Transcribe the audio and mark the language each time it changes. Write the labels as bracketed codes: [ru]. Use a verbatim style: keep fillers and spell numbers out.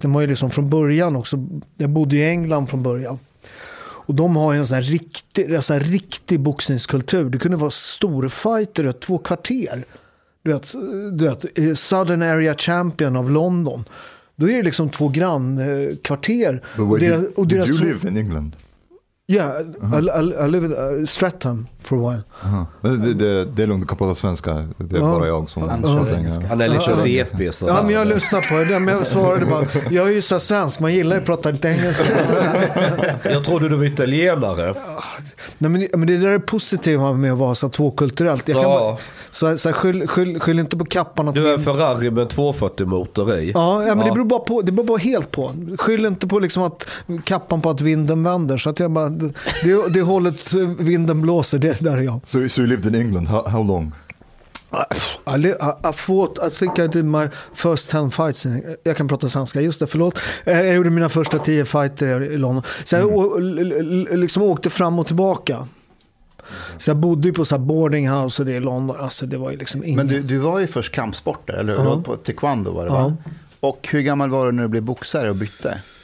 [sv] Det var ju liksom från början också. Jag bodde i England från början. Och de har ju en sån här riktig, en sån här riktig boxningskultur. Det kunde vara storfighter i två kvarter. Du vet, du vet, Southern Area Champion av London. Då är det liksom två grannkvarter. [en] But wait, did, [sv] och deras [en] did you live in England? Yeah, uh-huh. I, I, I live in uh, Stratham for a while. Uh-huh. [sv] Det, det, det är lugnt, du kan prata svenska. Det är uh-huh. bara jag som uh-huh. uh-huh. Han är lite uh-huh. C P så. Ja, men jag lyssnar på det, men jag svarade bara. Jag är ju så svensk, man gillar ju att prata lite engelska. Jag trodde du var italienare. Nej, men, men det där är positiva med att vara så tvåkulturellt. Jag kan ja. bara, så, så skyll, skyll, skyll inte på kappan att du är en Ferrari med tvåfyrtio motor i. Ja, ja men ja. det beror bara på, det beror bara helt på. Skyll inte på liksom att kappan på att vinden vänder, så att jag bara det, det, det hållet vinden blåser, det där är jag. [en] So, so you lived in England, how, how long? I, li- I, I fought, I think I did my first ten fights. [sv] In, jag kan prata svenska, just det, förlåt. Jag gjorde mina första tio fighter i London. Så jag mm. å, liksom åkte fram och tillbaka. Så jag bodde ju på så här boarding house och det i London. Alltså det var ju liksom ingen... Men du, du var ju först kampsportare, eller hur? Uh-huh. På taekwondo var det, va? Uh-huh. Och hur gammal var du när du blev boxare och bytte?